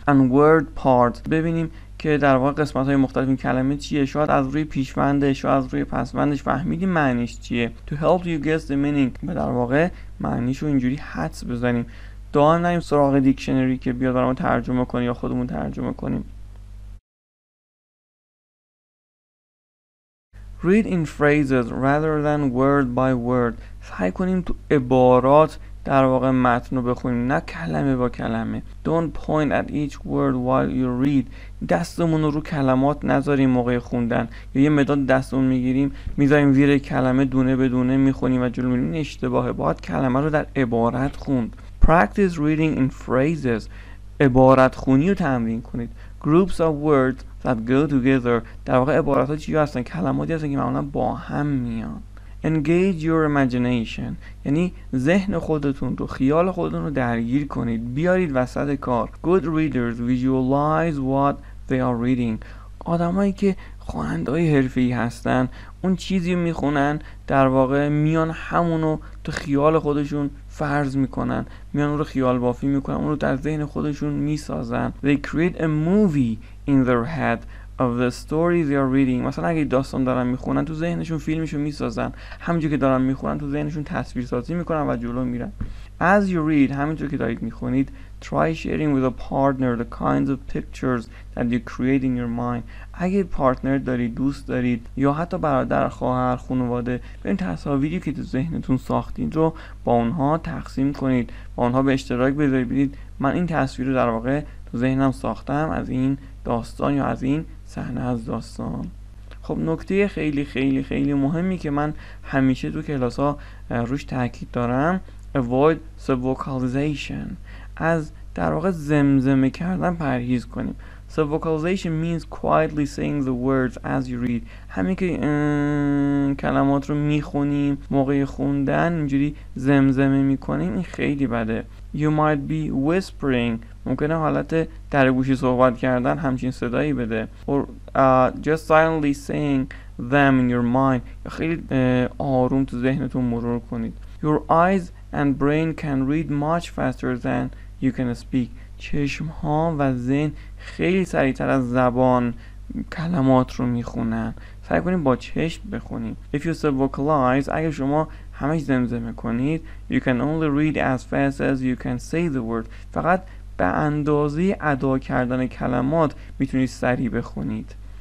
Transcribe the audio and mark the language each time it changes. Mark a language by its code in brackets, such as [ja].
[en] And word part، [fa] ببینیم که در واقع قسمت های مختلف این کلمه چیه، شاید از روی پیشوندش، شاید از روی پسوندش فهمیدیم معنیش چیه. [en] To help you guess the meaning، [fa] به در واقع معنیشو اینجوری حدس بزنیم. دائم نریم سراغ دیکشنری که بیاد برامون ترجمه کنیم یا خودمون ترجمه کنیم. [en] Read in phrases rather than word by word. [fa] سعی کنیم تو عبارات در واقع متن رو بخونیم، نه کلمه با کلمه. [en] Don't point at each word while you read. [fa] دستمون رو کلمات نذاریم موقع خوندن، یا یه مداد دستمون میگیریم میذاریم زیر کلمه دونه به دونه میخونیم و جلو میریم. این اشتباهه، باید کلمه رو در عبارت خوند. [en] Practice reading in phrases. [fa] عبارت خونی رو تمرین کنید. [en] Groups of words that go together. [fa] در واقع عبارت ها چی هستن؟ کلماتی هستن که معمولا با هم میان. [en] Engage your imagination، [fa] یعنی ذهن خودتون رو، خیال خودتون رو درگیر کنید، بیارید وسط کار. [en] Good readers visualize what they are reading. [fa] آدمایی که خواننده‌های حرفه‌ای هستن، اون چیزی میخونن در واقع میان همونو تو خیال خودشون فرض میکنن، میان اون رو خیال بافی میکنن، اون رو در ذهن خودشون میسازن. [en] They create a movie in their head of the story they are reading. [fa] مثلا اگه داستان دارن میخونن، تو ذهنشون فیلمشو میسازن، همینجوری که دارن میخونن تو ذهنشون تصویر سازی میکنن و جلو میرن. [en] As you read، [fa] همینجوری که دارید میخونید، [en] try sharing with a partner the kinds of pictures that you create in your mind. [fa] اگه پارتنر دارید، دوست دارید، یا حتی برادر، خواهر، خانواده، ببین تصاویری که تو ذهنتون ساختید رو با اونها تقسیم کنید، با اونها به اشتراک بذارید، ببینید من این تصویر رو در واقع تو ذهنم ساختم از این داستان یا از این صحنه از داستان. خب نکته خیلی خیلی خیلی مهمی که من همیشه تو کلاس ها روش تاکید دارم، [en] avoid sub-vocalization، [fa] از در واقع زمزمه کردن پرهیز کنیم. [en] So vocalization means quietly saying the words as you read. [fa] همین که کلمات رو میخونیم موقع خوندن اینجوری زمزمه میکنیم این خیلی بده. [en] You might be whispering. [fa] ممکنه حالت در گوشی صحبت کردن همچین صدایی بده. [en] Or just silently saying them in your mind. [fa] خیلی آروم تو ذهنتون مرور کنید. [en] Your eyes and brain can read much faster than you can speak. [fa] چشم ها و ذهن خیلی سریعتر از زبان کلمات رو میخونن. سعی کنید با چشم بخونید. [en] If you sub-vocalize, [fa] اگر شما همش زمزمه کنید, [en] you can only read as fast as you can say the word. [fa] فقط به اندازه ادا کردن کلمات میتونید سریع بخونید.